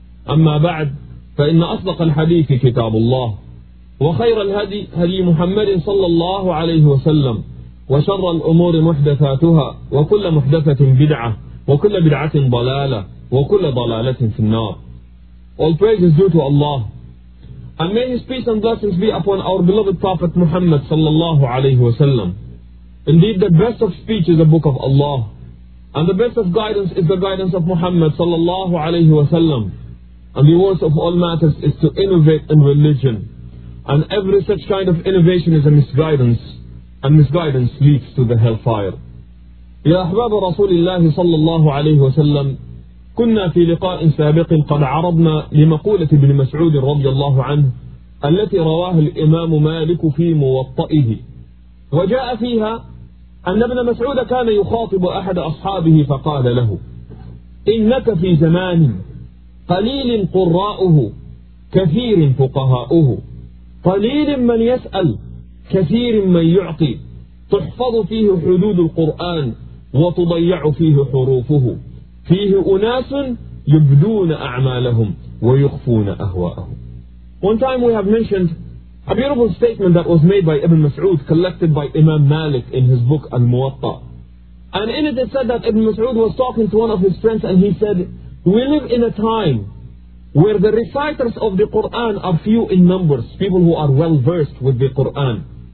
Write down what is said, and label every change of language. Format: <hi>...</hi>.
<ar>أما بعد، فإن أصدق الحديث كتاب الله، وخير الهدي هدي محمد صلى الله عليه وسلم، وشر الأمور محدثاتها، وكل محدثة بدعة، وكل بدعة ضلالة، وكل ضلالة في النار.</ar> <en>All praise is due to Allah, and may His peace and blessings be upon our beloved Prophet Muhammad sallallahu alayhi wa sallam. Indeed, the best of speech is the book of Allah, and the best of guidance is the guidance of Muhammad sallallahu alayhi wa sallam. And the worst of all matters is to innovate in religion, and every such kind of innovation is a misguidance, and misguidance leads to the hellfire.</en> <ar>يا أحباب رسول الله صلى الله عليه وسلم، كنا في لقاء سابق قد عرضنا لمقولة ابن مسعود رضي الله عنه التي رواه الإمام مالك في موطئه، وجاء فيها أن ابن مسعود كان يخاطب أحد أصحابه فقال له: إنك في زمان قليل قراؤه كثير فقهاؤه، قليل من يسأل كثير من يعطي، تحفظ فيه حدود القرآن وتضيع فيه حروفه، فيه أناس يبدون أعمالهم ويخفون أهواءهم.</ar> <en>One time we have mentioned a beautiful statement that was made by Ibn Mas'ud, collected by Imam Malik in his book Al-Muwatta. And in it said that Ibn Mas'ud was talking to one of his friends and he said, we live in a time where the reciters of the Qur'an are few in numbers, people who are well versed with the Qur'an.</en>